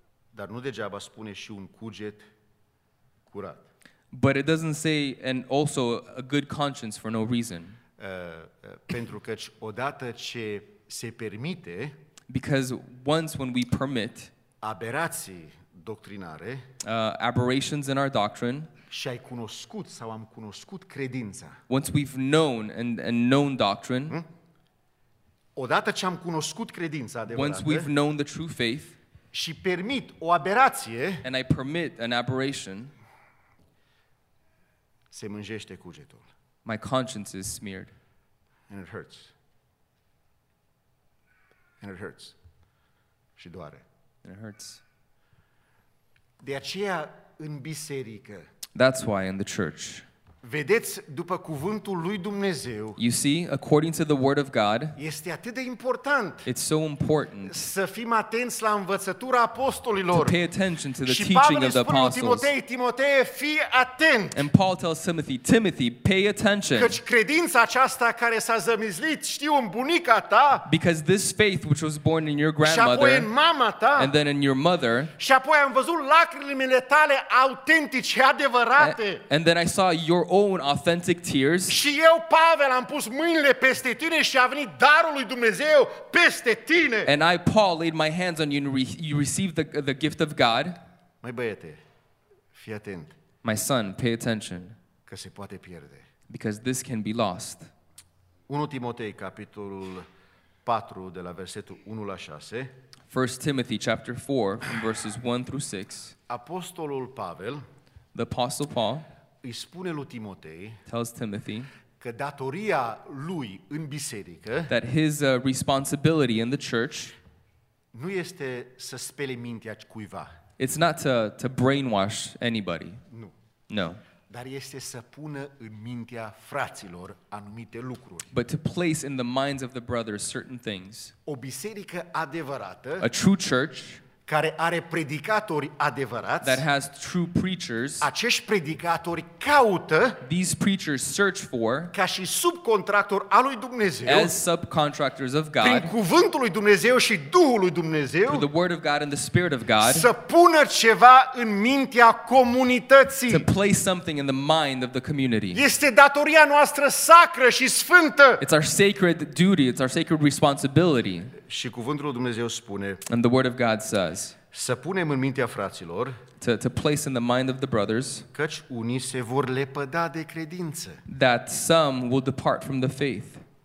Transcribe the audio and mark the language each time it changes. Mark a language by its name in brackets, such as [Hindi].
[Romanian] Dar nu degeaba spune și un cuget curat. [English] But it doesn't say and also a good conscience for no reason. [Romanian] Pentru că odată ce se permite, [English] because once when we permit [Romanian] aberații doctrinare, [English] aberrations in our doctrine, [Romanian] și ai cunoscut sau am cunoscut credința. [English] Once we've known and known doctrine, [Romanian] odată ce am cunoscut credința adevărată, [English] once we've known the true faith, [Romanian] și permit o aberație, [English] and I permit an aberration, [Romanian] se mânjește cugetul. [English] My conscience is smeared. And it hurts. And it hurts. [Romanian] Și doare. [English] And it hurts. [Romanian] De aceea, în biserică, [English] that's why in the church, [Romanian] vedeți, după cuvântul lui Dumnezeu, [English] you see, according to the word of God, [Romanian] este atât de important, [English] it's so important, [Romanian] să fim atenți la învățătura apostolilor, [English] to pay attention to the teaching of the apostles. [Romanian] Și Pavel spune Timotei, Timotee, fii atent. [English] And Paul tells Timothy, Timothy, pay attention. [Romanian] Căci credința aceasta care s-a zămislit, știu, în bunica ta, [English] because this faith which was born in your grandmother, [Romanian] și apoi în mama ta, [English] and then in your mother, [Romanian] și apoi am văzut lacrimile tale autentice, adevărate, [English] and then I saw your own authentic tears. [Romanian] Și eu, Pavel, am pus mâinile peste tine și a venit darul lui Dumnezeu peste tine. [English] And I, Paul, laid my hands on you and you received the gift of God. [Romanian] Mai băiete, fii atent. [English] My son, pay attention. [Romanian] Că se poate pierde. [English] Because this can be lost. [Romanian] 1 Timotei, capitolul 4, de la versetul 1 la 6. [English] 1 Timothy chapter 4, from verses 1 through 6. [Romanian] Apostolul Pavel, [English] the Apostle Paul, [Romanian] îi spune lui Timotei, [English] tells Timothy, [Romanian] că datoria lui în biserică, [English] that his responsibility in the church, [Romanian] nu este să spele mintea cuiva. [English] It's not to brainwash anybody. [Romanian] Nu. [English] No. [Romanian] Dar este să pună în mintea fraților anumite lucruri. [English] But to place in the minds of the brothers certain things. [Romanian] O biserică adevărată, [English] a true church, [Romanian] care are predicatori adevărați, [English] that has true preachers, [Romanian] acești predicatori caută, [English] these preachers search for, [Romanian] ca și subcontractor al lui Dumnezeu, [English] as subcontractors of God, [Romanian] prin cuvântul lui Dumnezeu și Duhul lui Dumnezeu, [English] through the word of God and the spirit of God, [Romanian] să pună ceva în mintea comunității, [English] to place something in the mind of the community. [Romanian] Este datoria noastră sacră și sfântă. [English] It's our sacred duty, it's our sacred responsibility. [Romanian] Și cuvântul lui Dumnezeu spune, [English] and the word of God says, [Romanian] să punem în mintea fraților, [English] to place in the mind of the brothers, [Romanian] căci unii se vor lepăda de credință, [English] that some will depart from the faith,